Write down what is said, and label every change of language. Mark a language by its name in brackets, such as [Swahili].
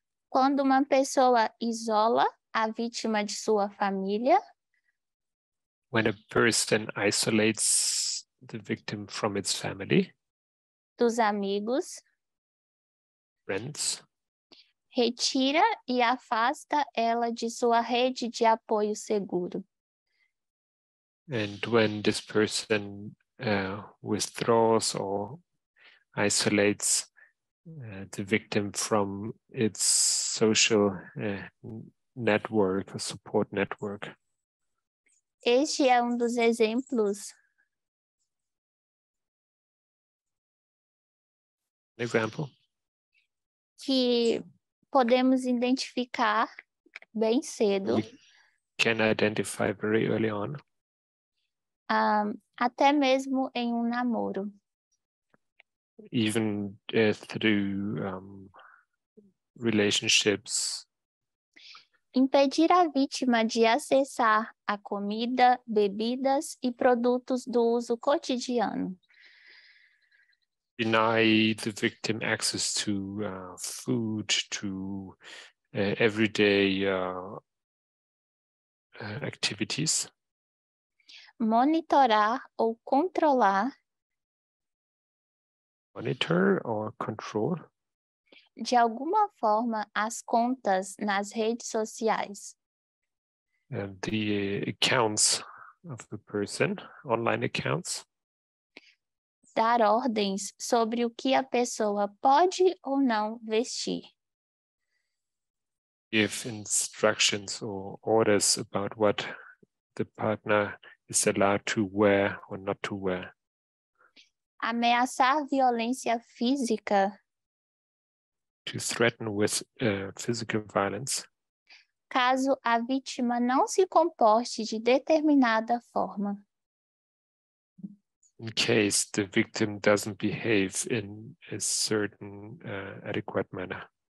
[Portuguese] Quando uma pessoa isola a vítima de sua família. [English] When a person isolates the victim from its family. [Portuguese] Dos amigos. [English] Friends. [Portuguese] Retira e afasta ela de sua rede de apoio seguro. [English] And when this person withdraws or isolates the victim from its social network, or support network. [Portuguese] Este é dos exemplos. [English] An example. [Portuguese] Que podemos identificar bem cedo. [English] We can identify very early on. [Portuguese] Até mesmo em namoro. [English] Even through relationships. [Portuguese] Impedir a vítima de acessar a comida, bebidas e produtos do uso cotidiano. [English] Deny the victim access to food, to everyday activities. [Portuguese] Monitorar ou controlar. [English] Monitor or control. [Portuguese] De alguma forma, as contas nas redes sociais. [English] And the accounts of the person, online accounts. [Portuguese] Dar ordens sobre o que a pessoa pode ou não vestir. [English] Give instructions or orders about what the partner is allowed to wear or not to wear. [Portuguese] Ameaçar violência física. [English] To threaten with physical violence. [Portuguese] Caso a vítima não se comporte de determinada forma. [English] in case the victim doesn't behave in a certain adequate manner.